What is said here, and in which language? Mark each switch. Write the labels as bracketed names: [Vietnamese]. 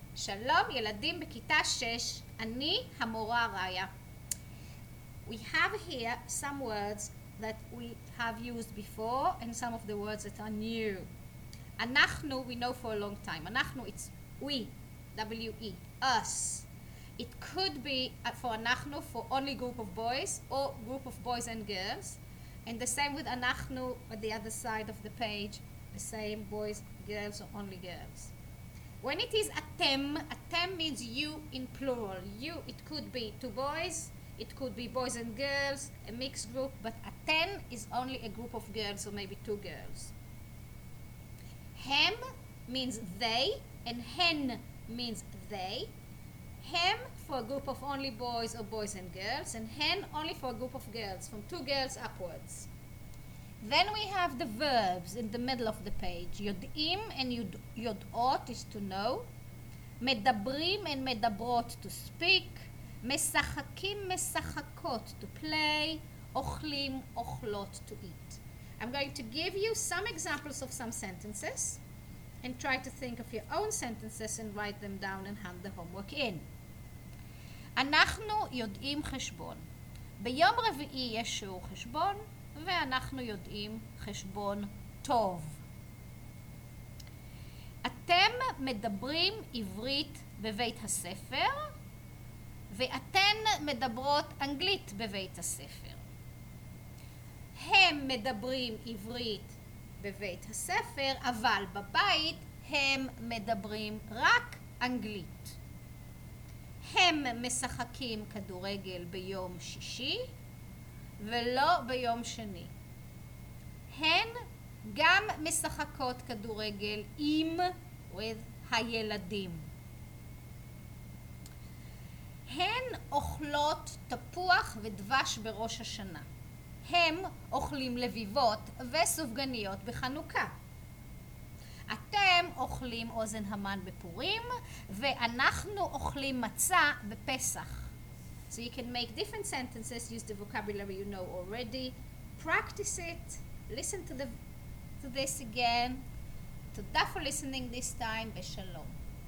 [Hebrew] שלום ילדים בכיתה 6, אני המורה ראיה. [English] We have here some words that we have used before and some of the words that are new. אנחנו, we know for a long time. אנחנו, it's we, W-E, us. It could be for אנחנו, for only group of boys or group of boys and girls. And the same with אנחנו at the other side of the page, the same boys, girls or only girls. When it is אתם, אתם means you in plural. You, it could be two boys, it could be boys and girls, a mixed group, but אתן is only a group of girls or maybe two girls. הם means they and הן means they. הם for a group of only boys or boys and girls, and הן only for a group of girls, from two girls upwards. Then we have the verbs in the middle of the page. יודעים and יודעות is to know. מדברים and מדברות to speak. משחקים, משחקות to play. אוכלים, אוכלות to eat. I'm going to give you some examples of some sentences and try to think of your own sentences and write them down and hand the homework in. [Hebrew] אנחנו יודעים חשבון. ביום רביעי יש שיעור חשבון. ואנחנו יודעים חשבון טוב. אתם מדברים עברית בבית הספר, ואתן מדברות אנגלית בבית הספר. הם מדברים עברית בבית הספר, אבל בבית הם מדברים רק אנגלית. הם משחקים כדורגל ביום שישי, ולא ביום שני. הן גם משחקות כדורגל עם הילדים. הן אוכלות תפוח ודבש בראש השנה. הם אוכלים לביבות וסופגניות בחנוכה. אתם אוכלים אוזן המן בפורים, ואנחנו אוכלים מצה בפסח. [English] So you can make different sentences, use the vocabulary you know already, practice it, listen to this again, to daf listening this time, ושלום.